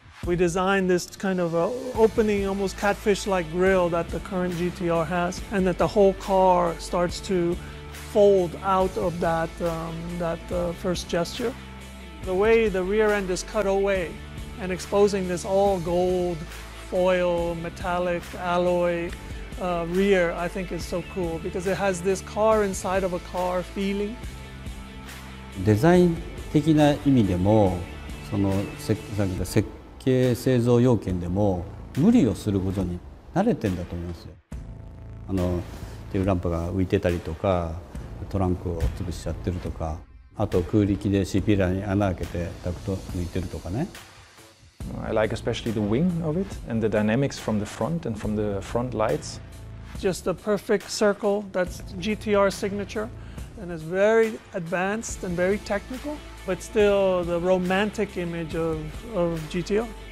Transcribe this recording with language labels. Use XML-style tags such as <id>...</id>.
<en>We designed this kind of opening, almost catfish-like grille that the current GTR has, and that the whole car starts to fold out of that, first gesture. The way the rear end is cut away and exposing this all gold, foil, metallic, alloy rear, I think is so cool because it has this car inside of a car feeling.</en> <ja>デザイン的な意味でもその設計製造要件でも無理をすることに慣れてんだと思いますよ。あのテールランプが浮いてたりとかトランクを潰しちゃってるとかあと空力でシーピーラーに穴開けてダクト抜いてるとかね。</ja> <en>I like especially the wing of it and the dynamics from the front and from the front lights. Just a perfect circle, that's GTR signature. And it's very advanced and very technical, but still the romantic image of GTR.</en>